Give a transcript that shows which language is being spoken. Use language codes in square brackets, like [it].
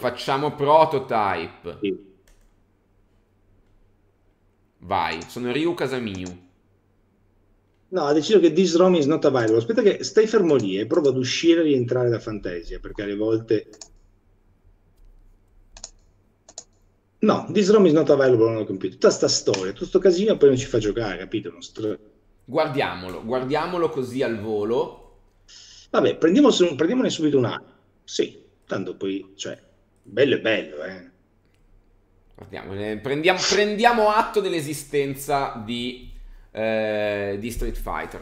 [it] facciamo prototype. Sì. Vai, sono Ryu Casamiu. No, ha deciso che [en] this room is not available. [it] Aspetta che stai fermo lì e provo ad uscire e rientrare da fantasia, perché alle volte... [en] No, this room is not available on the computer. [it] Tutta sta storia, tutto casino, poi non ci fa giocare, capito? Guardiamolo, guardiamolo così al volo. Vabbè, prendiamone subito una. Sì, tanto poi, cioè, bello è bello, Guardiamone, prendiamo atto dell'esistenza di Street Fighter.